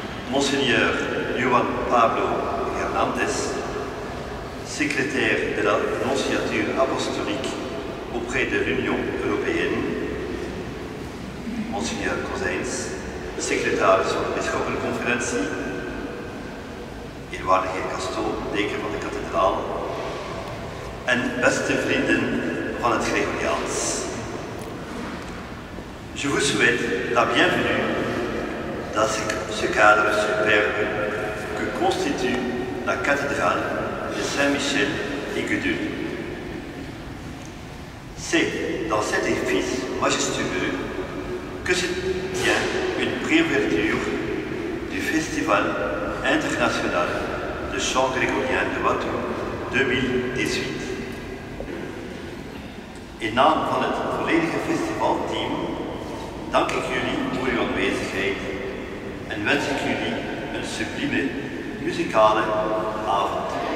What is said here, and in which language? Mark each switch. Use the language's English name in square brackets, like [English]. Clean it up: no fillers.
[French] Monseigneur Juan Pablo Hernandez, secrétaire de la Nonciature apostolique auprès de l'Union européenne. Monseigneur Cosens, secrétaire sur la Bischofenkonferentie. [Dutch] Eerwaardige heer Castro, deken van de kathedraal. En beste vrienden van het Gregoriaans. [French] Je vous souhaite la bienvenue dans ce cadre superbe que constitue la cathédrale de Saint-Michel et Gudule. C'est dans cet édifice majestueux que se tient une préouverture du Festival international de chant grégorien de Watteau 2018. [Dutch] In naam van het volledige festivalteam dank ik jullie voor uw aanwezigheid en wens ik jullie een sublieme muzikale avond.